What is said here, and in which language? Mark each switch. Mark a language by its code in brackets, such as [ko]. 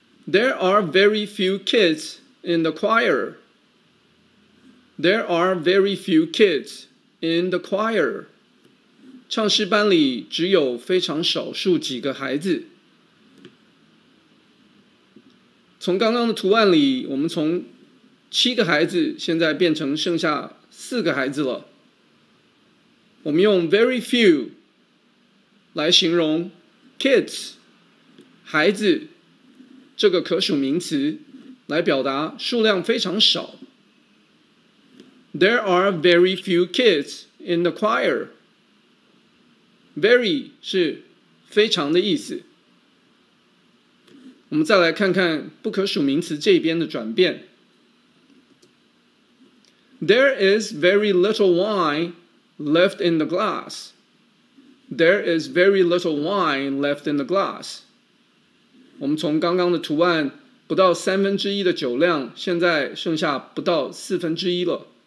[en] There are very few kids in the choir. There are very few kids in the choir. [zh] 唱诗班里只有非常少数几个孩子。从刚刚的图案里，我们从七个孩子现在变成剩下四个孩子了。我们用 very few 来形容 kids 孩子这个可数名词，来表达数量非常少。 [en] There are very few kids in the choir. [zh] Very 是非常的意思。我们再来看看不可数名词这边的转变。 [en] There is very little wine left in the glass. There is very little wine left in the glass. [zh] 我们从刚刚的图案，不到三分之一的酒量，现在剩下不到四分之一了。